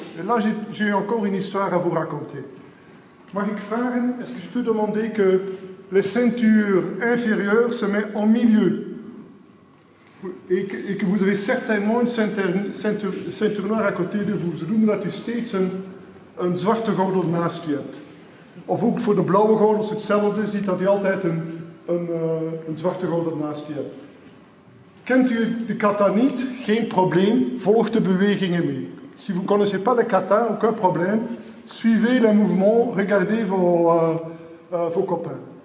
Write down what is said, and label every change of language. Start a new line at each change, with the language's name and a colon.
French: Et là, j'ai encore une histoire à vous raconter. Marie Kfaren, est-ce que je peux demander que les ceintures inférieures se mettent en milieu et que vous avez certainement une ceinture noire à côté de vous.
Dutch: Ze noemen dat u steeds een zwarte gordel naast u hebt. Of ook voor de blauwe gordels hetzelfde, ziet dat u altijd een zwarte gordel naast u hebt. Kent u de kata niet? Geen probleem, volg de bewegingen mee.
French: Si vous connaissez pas le kata, aucun problème, suivez les mouvements, regardez vos copains.